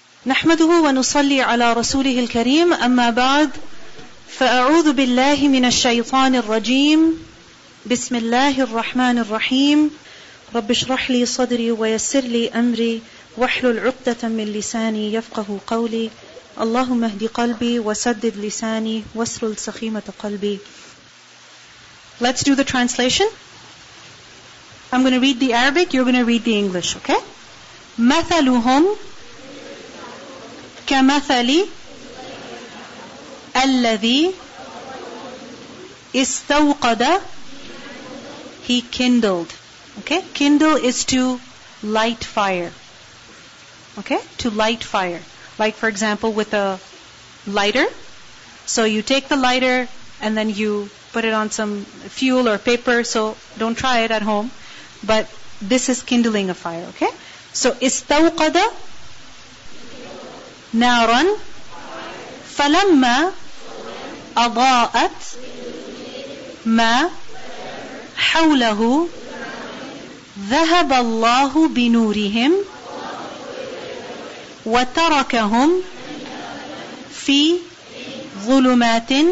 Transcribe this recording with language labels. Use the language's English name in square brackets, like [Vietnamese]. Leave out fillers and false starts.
[Arabic] نحمده ونصلي على رسوله الكريم أما بعد فأعوذ بالله من الشيطان الرجيم بسم الله الرحمن الرحيم رب اشرح لي صدري ويسر لي أمري واحلل عقدة من لساني يفقه قولي اللهم اهد قلبي وسدد لساني واسلل سخيمة قلبي. [English] Let's do the translation. I'm going to read the Arabic, you're going to read the English, okay? [Arabic] مثلهم كمثل الذي استوقد. [English] He kindled. Okay? Kindle is to light fire. Okay? To light fire. Like for example with a lighter. So you take the lighter and then you put it on some fuel or paper. So don't try it at home. But this is kindling a fire. Okay? [Arabic] So استوقد نارا فلما أضاءت ما حوله ذهب الله بنورهم وتركهم في ظلمات.